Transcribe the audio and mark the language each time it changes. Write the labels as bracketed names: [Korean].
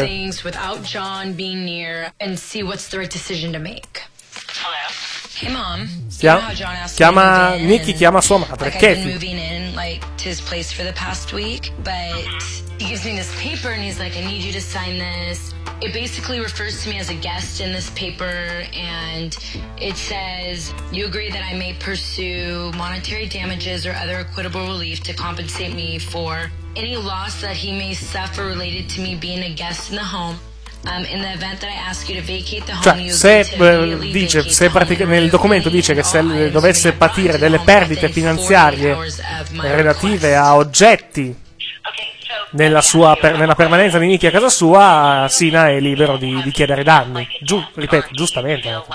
[English] Hey mom, [Italian] chiama Nikki, chiama sua madre, like Kathy. [English] Moving in like to his place for the past week, but he gives me this paper and he's like, I need you to sign this. It basically refers to me as a guest in this paper, and it says, you agree that I may pursue monetary damages or other equitable relief to compensate me for any loss that he may suffer related to me being a guest in the home. In the event that I ask you to vacate the home, [Italian] cioè, se dice, se nel documento dice che se dovesse patire delle perdite finanziarie relative a oggetti nella permanenza di Nicky a casa sua, Sina è libero di chiedere danni. Ripeto, giustamente.